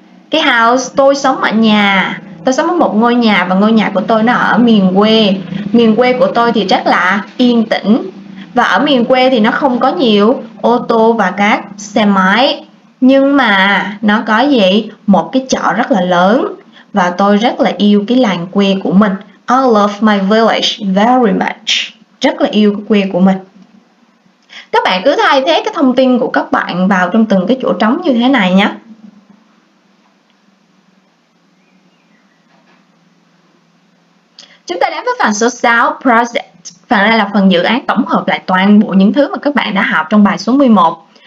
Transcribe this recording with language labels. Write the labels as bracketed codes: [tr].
[vi] Cái house, tôi sống ở nhà, tôi sống ở một ngôi nhà và ngôi nhà của tôi nó ở miền quê. Miền quê của tôi thì rất là yên tĩnh và ở miền quê thì nó không có nhiều ô tô và các xe máy. Nhưng mà nó có gì? Một cái chợ rất là lớn. Và tôi rất là yêu cái làng quê của mình. [en] I love my village very much. [vi] Rất là yêu cái quê của mình. Các bạn cứ thay thế cái thông tin của các bạn vào trong từng cái chỗ trống như thế này nhé. Chúng ta đến với phần số 6, project. Phần này là phần dự án tổng hợp lại toàn bộ những thứ mà các bạn đã học trong bài số 11.